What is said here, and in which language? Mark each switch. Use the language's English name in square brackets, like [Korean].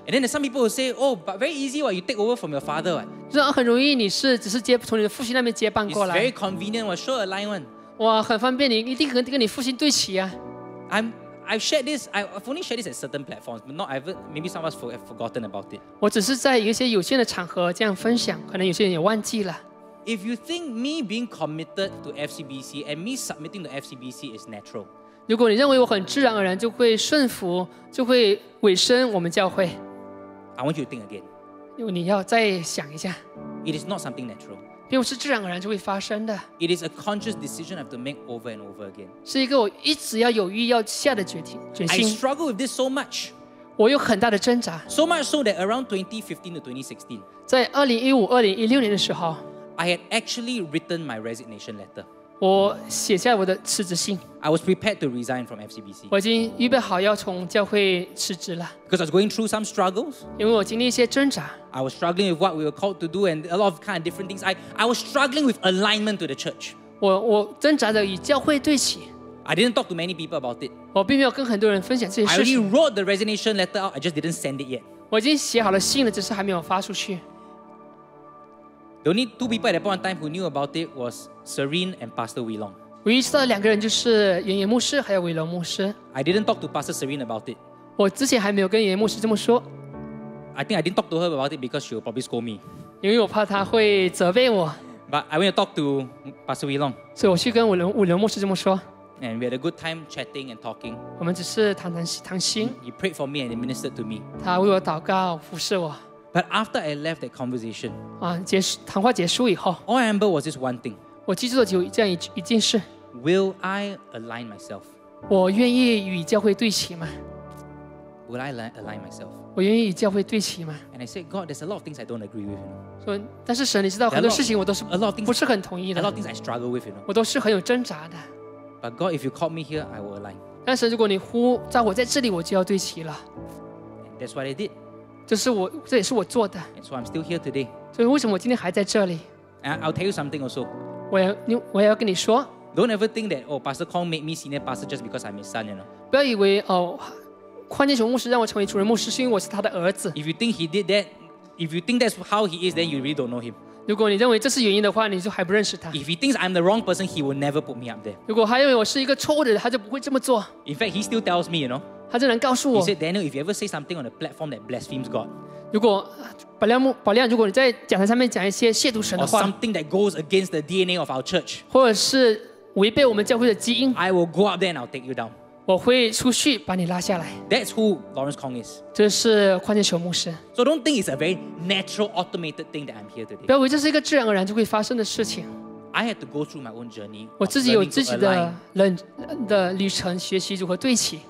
[English] And then some people will say, "Oh, but very easy, what? You take over from your father, what?" [Chinese] 就是很容易，你是只是接从你的父亲那边接棒过来。 [English] It's very convenient, what? Sure alignment. [Chinese] 哇，很方便，你一定跟你父亲对齐啊。 [English] I've only shared this at certain platforms, but not ever. Maybe some of us have forgotten about it. [Chinese] 我只是在一些有限的场合这样分享，可能有些人也忘记了。 [English] If you think me being committed to FCBC and me submitting to FCBC is natural, [Chinese] 如果你认为我很自然而然就会顺服，就会委身我们教会 [English] ，I want you to think again. [Chinese] 因为你要再想一下。 [English] It is not something natural. [Chinese] 并不是自然而然就会发生的。 [English] It is a conscious decision I have to make over and over again. [Chinese] 是一个我一直要有意要下的决心。 [English] I struggle with this so much. [Chinese] 我有很大的挣扎。 [English] So much so that around 2015 to 2016, [Chinese] 在2015-2016年的时候 [English] ，I had actually written my resignation letter. [Chinese] 我写下我的辞职信。 [English] I was prepared to resign from FCBC. [Chinese] 我已经预备好要从教会辞职了。 [English] Because I was going through some struggles. [Chinese] 因为我经历一些挣扎。 [English] I was struggling with what we were called to do and a lot of kind of different things. I was struggling with alignment to the church. [Chinese] 我挣扎着与教会对齐。 [English] I didn't talk to many people about it. [Chinese] 我并没有跟很多人分享这些事情。 [English] I already wrote the resignation letter out. I just didn't send it yet. [Chinese] 我已经写好了信了，只是还没有发出去。 [English] The only two people at that point in time who knew about it was Serene and Pastor Wee Long. [Chinese] 唯一知道的两个人就是圆圆牧师还有伟龙牧师。 [English] I didn't talk to Pastor Serene about it. [Chinese] 我之前还没有跟圆圆牧师这么说。 [English] I think I didn't talk to her about it because she will probably scold me. [Chinese] 因为我怕她会责备我。 [English] But I went to talk to Pastor Wee Long. [Chinese] 所以我去跟伟龙牧师这么说。 [English] And we had a good time chatting and talking. [Chinese] 我们只是谈心。 [English] He prayed for me and he ministered to me. [Chinese] 他为我祷告，服侍我。 [English] But after I left that conversation, [Chinese] 谈话结束以后 [English] all I remember was this one thing. [Chinese] 我记住的只有这样一件事。 [English] Will I align myself? [Chinese] 我愿意与教会对齐吗 [English] ？Will I align myself? [Chinese] 我愿意与教会对齐吗 [English] ？And I said, God, there's a lot of things I don't agree with. [Chinese] 说，但是神，你知道很多事情我都是 [English] a lot of things [Chinese] 不是很同意的。 [English] A lot of things I struggle with, you know. [Chinese] 我都是很有挣扎的。 [English] But God, if you call me here, I will align. [Chinese] 但是如果你呼召我在这里，我就要对齐了。 [English] That's what I did. [Chinese] 这是我，这也是我做的。 [English] So I'm still here today. [Chinese] 所以为什么我今天还在这里？ [English] I'll tell you something also. [Chinese] 我要跟你说。 [English] Don't ever think that oh, Pastor Kong made me senior pastor just because I'm his son, you know. [Chinese] 不要以为哦，宽建雄牧师让我成为主任牧师是因为我是他的儿子。 [English] If you think he did that, if you think that's how he is, then you really don't know him. [Chinese] 如果你认为这是原因的话，你就还不认识他。 [English] If he thinks I'm the wrong person, he will never put me up there. [Chinese] 如果他认为我是一个错误的人，他就不会这么做。 [English] In fact, he still tells me, you know. [Chinese] 他竟然告诉我。 [English] He said, Daniel, if you ever say something on a platform that blasphemes God. [Chinese] 如果宝亮，如果你在讲台上面讲一些亵渎神的话 [English] ，or something that goes against the DNA of our church. [Chinese] 或者是违背我们教会的基因 [English] ，I will go up there and I'll take you down. [Chinese] 我会出去把你拉下来。 [English] That's who Lawrence Kong is. [Chinese] 这是宽建雄牧师。 [English] So don't think it's a very natural, automated thing that I'm here today. [Chinese] 不要以为这是一个自然而然就会发生的事情。 [English] I had to go through my own journey. [Chinese] 我自己有自己的旅程，学习如何对齐。